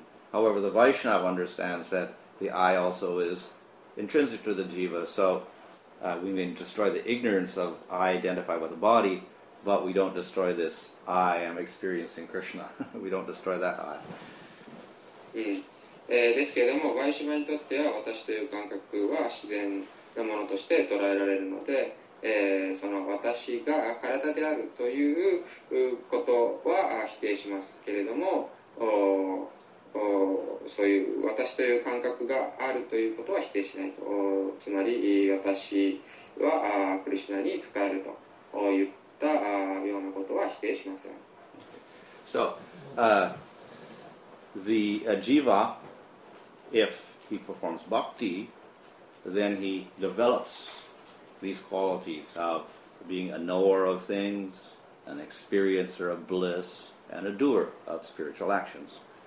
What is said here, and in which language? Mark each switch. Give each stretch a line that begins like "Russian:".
English: However, the Vaishnava understands that the I also is intrinsic to the jiva, so we may destroy the ignorance of I identify with the body, but we don't destroy this I am experiencing Krishna. We don't destroy that I.
Japanese: ですけれども、ヴァイシナヴァにとっては私という感覚は自然なものとして捉えられるので、その私が体であるということは否定しますけれども、そういう私という感覚があるということは否定しないと、つまり私はクリシュナに使えるといったようなことは否定しません。
English: So, the jiva, if he performs bhakti, then he develops these qualities of being a knower of things, an experiencer of bliss, and a doer of spiritual actions.